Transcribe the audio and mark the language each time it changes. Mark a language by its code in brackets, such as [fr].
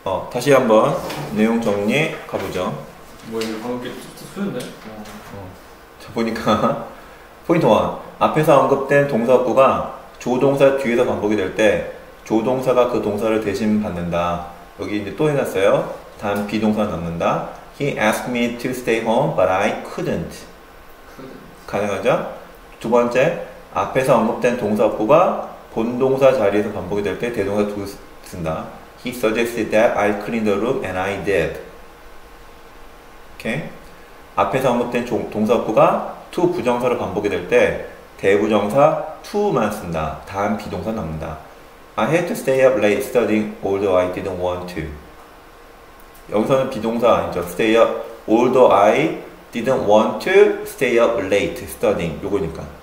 [ko] 다시 한번 내용 정리 가보죠. 뭐 이거 방금 게 수였네? 보니까 포인트 1. 앞에서 언급된 동사구가 조동사 뒤에서 반복이 될 때 조동사가 그 동사를 대신 받는다. 여기 이제 또 해놨어요. 다음 비동사 넣는다. [en] He asked me to stay home, but I couldn't. [ko] 가능하죠? 두 번째, 앞에서 언급된 동사구가 본동사 자리에서 반복이 될 때 대동사 두 쓴다. [en] He suggested that I clean the room and I did. [ko] 오케이? 앞에서 언급된 동사구가 to 부정사로 반복이 될 때 대부정사 to만 쓴다. 다음 비동사 넣는다. [en] I had to stay up late studying although I didn't want to. [ko] 여기서는 비동사 아니죠. [en] Stay up although I didn't want to stay up late studying. [ko] 요거니까.